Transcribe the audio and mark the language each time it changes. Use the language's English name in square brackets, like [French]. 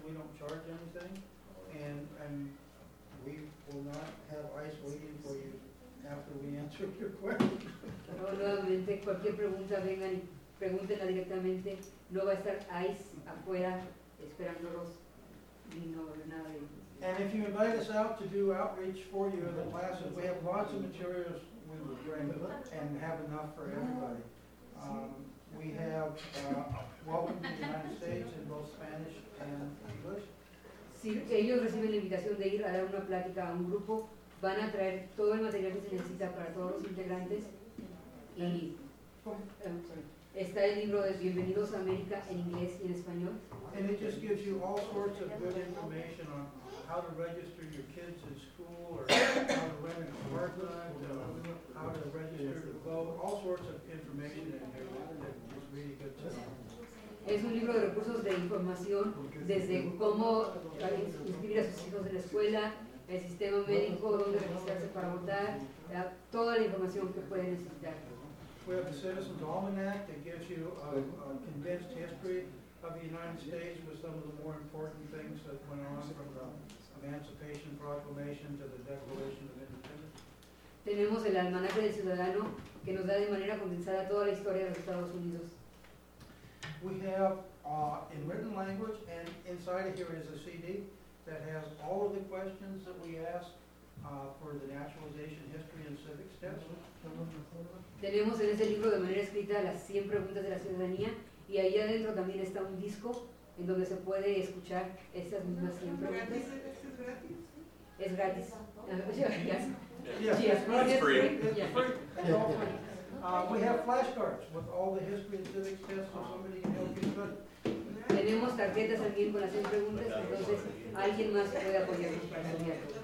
[English] We don't charge anything, and we will not have ICE waiting for you after we answer your questions. [Spanish] No, nuevamente, cualquier pregunta vengan y pregúntenla directamente. No va a estar ICE afuera esperándolos ni nada de. [English] And if you invite us out to do outreach for you in the classes, we have lots of materials. We will bring and have enough for everybody. We have welcome to the United States in both Spanish and English. [Spanish] Si ellos reciben la invitación de ir a dar una plática a un grupo, van a traer todo el material que se necesita para todos los integrantes. Y, [English] go ahead. [Spanish] Está el libro de Bienvenidos a América en inglés y en español. [English] And it just gives you all sorts of good information on how to register your kids in school, or how to rent an apartment, how to register to vote, all sorts of information in there. It's really good to know. [Spanish] Es un libro de recursos de información, desde cómo inscribir a sus hijos en la escuela, el sistema médico, dónde registrarse para votar, toda la información que puede necesitar. [English] We have the Citizens Almanac that gives you a condensed history of the United States with some of the more important things that went on from the Emancipation Proclamation to the Declaration of Independence. [Spanish] Tenemos el almanaque del ciudadano que nos da de manera condensada toda la historia de los Estados Unidos. [English] We have in written language, and inside of here is a CD that has all of the questions that we ask for the naturalization history and civic steps. [Spanish] Tenemos en ese libro de manera escrita las 100 preguntas de la ciudadanía, y ahí adentro también está un disco en donde se puede escuchar esas mismas 100 preguntas. ¿Es gratis? Es gratis. Es gratis. [English] We have flashcards with all the history and civic tests, so somebody can help you study. [Spanish] Tenemos tarjetas también con las 100 preguntas, entonces alguien más puede apoyarnos para estudiar.